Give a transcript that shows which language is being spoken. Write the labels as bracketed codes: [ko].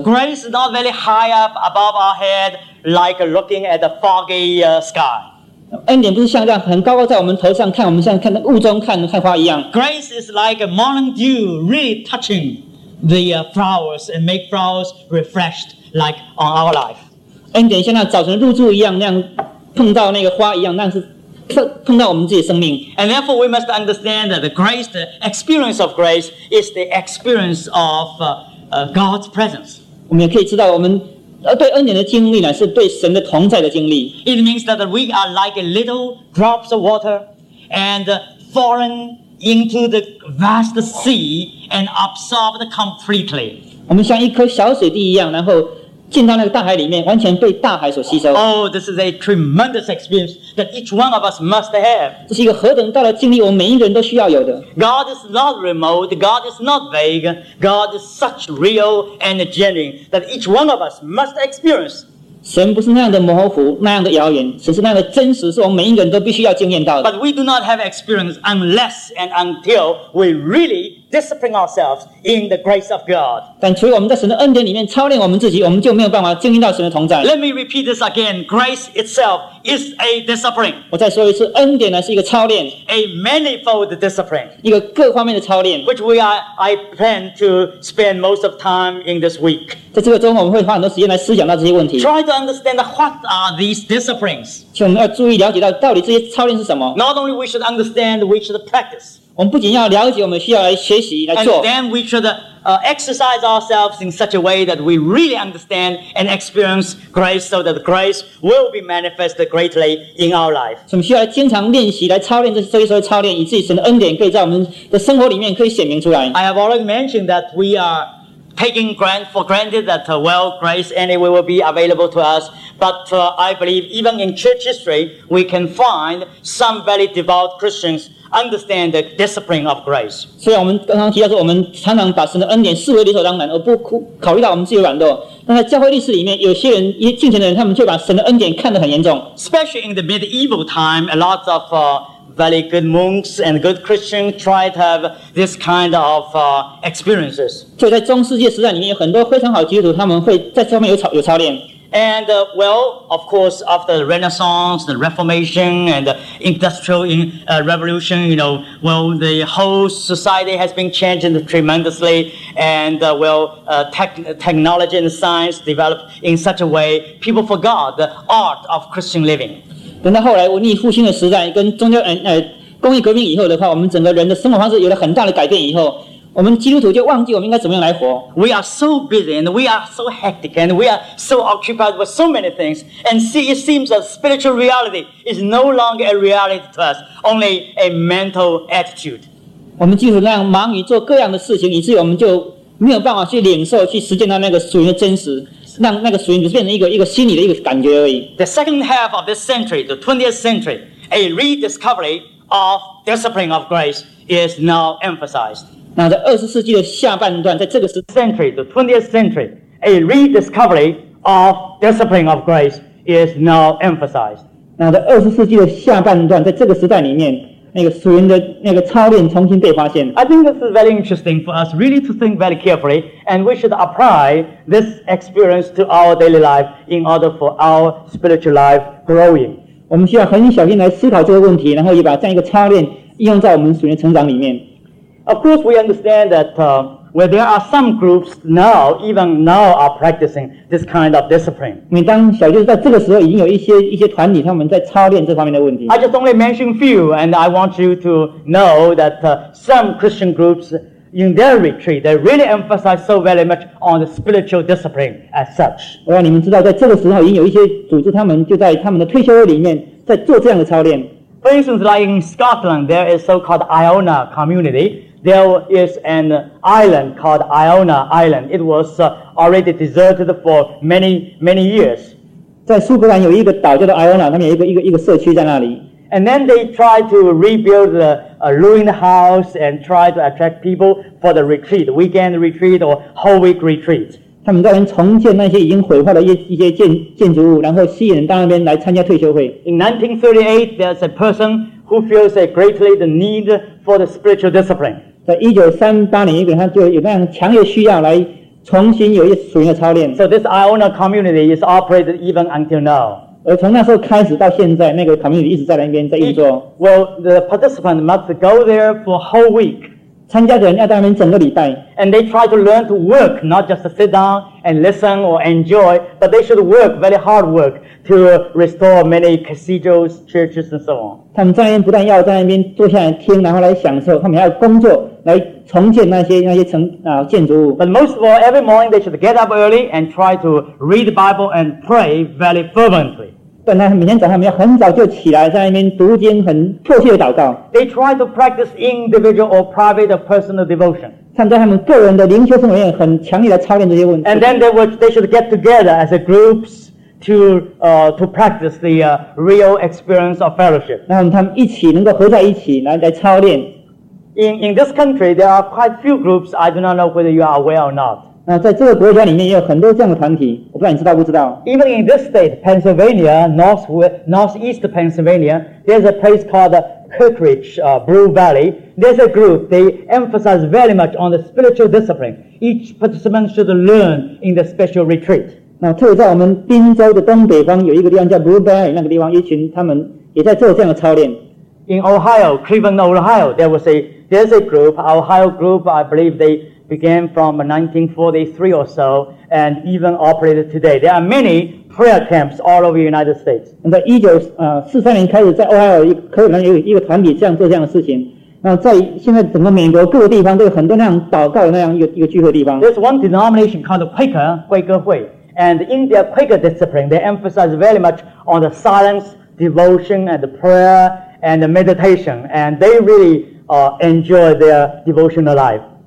[en] Grace is not very high up above our head, like looking at a foggy sky. [zh] 恩典不是像这样很高高在我们头上看，我们像看雾中看花一样。 [en] Grace is like a morning dew, really touching the flowers and make flowers refreshed. Like on our life, [zh] 恩典像那早晨露珠一样，那样碰到那个花一样，那是碰到我们自己的生命。 [en] And therefore, we must understand that the grace, the experience of grace, is the experience of God's presence. [zh] 我们也可以知道，我们对恩典的经历呢，是对神的同在的经历。 [en] It means that we are like a little drops of water, and fallen into the vast sea and absorbed completely. [zh] 我们像一颗小水滴一样，然后进到那个大海里面，完全被大海所吸收。 [en] Oh, this is a tremendous experience that each one of us must have. [zh] 这是一个何等大的经历，我们每一个人都需要有的。 [en] God is not remote, God is not vague, God is such real and genuine that each one of us must experience. [zh] 神不是那样的模糊，那样的遥远，神是那样的真实，是我们每一个人都必须要经验到的。 [en] But we do not have experience unless and until we really. Discipline ourselves in the grace of God. [zh] 但除了我们在神的恩典里面操练我们自己，我们就没有办法经历到神的同在。 [en] Let me repeat this again. Grace itself is a discipline. [zh] 我再说一次，恩典呢是一个操练 [en] ，a manifold discipline. [zh] 一个各方面的操练 [en] ，which I plan to spend most of time in this week. [zh] 在这个周末，我们会花很多时间来思想到这些问题。 [en] Try to understand what are these disciplines. [zh] 所以我们要注意了解到底这些操练是什么。 [en] Not only we should understand, we should practice. [zh] 我们不仅要了解，我们需要来学习来做。 [en] And then we should exercise ourselves in such a way that we really understand and experience grace, so that grace will be manifested greatly in our life. [zh] 所以我们需要来经常练习，来操练这些操练，以至于神的恩典可以在我们的生活里面可以显明出来。 [en] I have already mentioned that we are taking for granted that well, grace anyway will be available to us. But I believe even in church history, we can find some very devout Christians. Understand the discipline of grace. [zh] 虽然我们刚刚提到说，我们常常把神的恩典视为理所当然，而不考虑到我们自己的软弱。但在教会历史里面，有些人，一些敬虔的人，他们却把神的恩典看得很严重。 [en] Especially in the medieval time, a lot of very good monks and good Christians tried to have this kind of experiences. [zh] 就在中世纪时代里面，有很多非常好的基督徒，他们会在这方面有操练。 [en] And well, of course, after the Renaissance, the Reformation, and the Industrial Revolution, you know, well, the whole society has been changing tremendously. And technology and science developed in such a way, people forgot the art of Christian living. [zh] 等到后来文艺复兴的时代跟宗教工业革命以后的话，我们整个人的生活方式有了很大的改变以后，我们基督徒就忘记我们应该怎么样来活。 [en] We are so busy and we are so hectic and we are so occupied with so many things. And see, it seems that spiritual reality is no longer a reality to us, only a mental attitude. [zh] 我们基督徒那样忙于做各样的事情，以至于我们就没有办法去领受、去实践到那个属灵的真实，让那个属灵只变成一个心理的一个感觉而已。 [en] The second half of this century, the 20th century, a rediscovery of discipline of grace is now emphasized. [zh] 那在二十世纪的下半段，在这个 [en] century, the 20th century, a rediscovery of discipline of grace is now emphasized. [zh] 那在二十世纪的下半段，在这个时代里面，那个属灵的那个操练重新被发现。 [en] I think this is very interesting for us really to think very carefully, and we should apply this experience to our daily life in order for our spiritual life growing. [zh] 我们需要很小心来思考这个问题，然后也把这样一个操练应用在我们属灵成长里面。 [en] Of course, we understand that where there are some groups now, even now, are practicing this kind of discipline. [zh] 每当小就是在这个时候，已经有一些团体他们在操练这方面的问题。 [en] I just only mention few, and I want you to know that some Christian groups in their retreat they really emphasize so very much on the spiritual discipline as such. [zh] 我让你们知道，在这个时候，已经有一些组织他们就在他们的退休会里面在做这样的操练。 [en] For instance, like in Scotland, there is so-called Iona community. There is an island called Iona Island. It was already deserted for many, many years. [zh] 在苏格兰有一个岛叫做 Iona, 那边有一个社区在那里。 [en] And then they tried to rebuild the ruined house and tried to attract people for the retreat, weekend retreat or whole week retreat. [zh] 他们在那边重建那些已经毁坏的一些建筑物，然后吸引人到那边来参加退休会。 [en] In 1938, there's a person who feels a greatly the need for the spiritual discipline. [zh] 在1938年，他就有那样强烈需要来重新有一属灵的操练。 [en] So this Iona community is operated even until now. [zh] 而从那时候开始到现在，那个 community 一直在那边在运作。 [en] Well, the participant must go there for a whole week. [zh] 参加者要在那边整个礼拜。 [en] And they try to learn to work, not just to sit down and listen or enjoy, but they should work very hard work to restore many cathedrals, churches, and so on. [zh] 他们在那边不但要在那边坐下来听，然后来享受，他们要工作来重建那些建筑物。 [en] But most of all, every morning they should get up early and try to read the Bible and pray very fervently. [zh] 本来每天早上要很早就起来，在那边读经，很迫切的祷告。 [en] They try to practice individual or private or personal devotion. [zh] 参加他们个人的灵修生活，很强烈的操练这些问题。 [en] And then they should get together as a groups to practice the real experience of fellowship. [zh] 然后他们一起能够合在一起来操练。 [en] In this country, there are quite few groups. I do not know whether you are aware or not. [zh] 那在这个国家里面也有很多这样的团体，我不知道你知道不知道。 [en] Even in this state, Pennsylvania, northeast Pennsylvania, there's a place called Kirkridge, Blue Valley. There's a group, they emphasize very much on the spiritual discipline. Each participant should learn in the special retreat. [zh] 那特别在我们宾州的东北方有一个地方叫 Blue Valley, 那个地方一群他们也在做这样的操练。 [en] In Ohio, Cleveland, Ohio, there's a group, Ohio group, I believe theybegan from 1943 or so, and even operated today. There are many prayer camps all over the United States. [zh] 在1943年开始，在 Ohio 可能有一个团体这样做这样的事情。那在现在整个美国各个地方都有很多那样祷告的那样一个聚会地方。 [en] There's one denomination called the Quaker Hui, and in their Quaker discipline, they emphasize very much on the silence, devotion, and the prayer, and the meditation, and they really enjoy their devotional life.